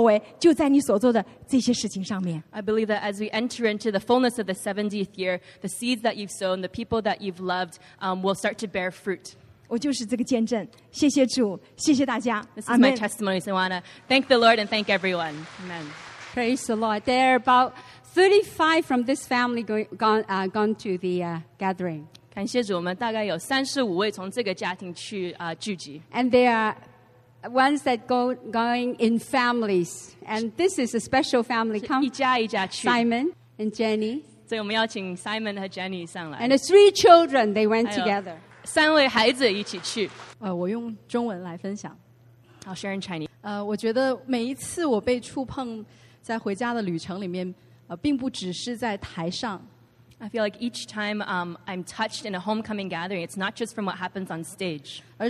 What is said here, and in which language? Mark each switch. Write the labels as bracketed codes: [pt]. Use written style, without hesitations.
[zh] 每一位你曾经爱过的、曾经播撒过的爱的种子，你曾经所做的人没有看见的所有的事情，将在很快的时间的里面会看到神荣耀的作为，就在你所做的这些事情上面。 [en] I believe that as we enter into the fullness of the 70th year, the seeds that you've sown, the people that you've loved, will start to bear fruit. [zh] 我就是这个见证，谢谢主，谢谢大家。 [en] This is my testimony, Sawana. Thank the Lord and thank everyone. Amen. Praise the Lord. There are about 35 from this family gone to the gathering. [zh] 感谢主，我们大概有35位从这个家庭去 聚集. [en] And they are ones that going in families. And this is a special family. Come, [zh] 一家一家去. [en] Simon and Jenny. [zh] 所以我们邀请 Simon 和 Jenny 上来. [en] And the three children they went together. [zh] 三位孩子一起去. 我用中文来分享. [en] I'll share in Chinese. [zh] 我觉得每一次我被触碰 在回家的旅程里面，并不只是在台上。 [en] I feel like each time I'm touched in a homecoming gathering, it's not just from what happens on stage.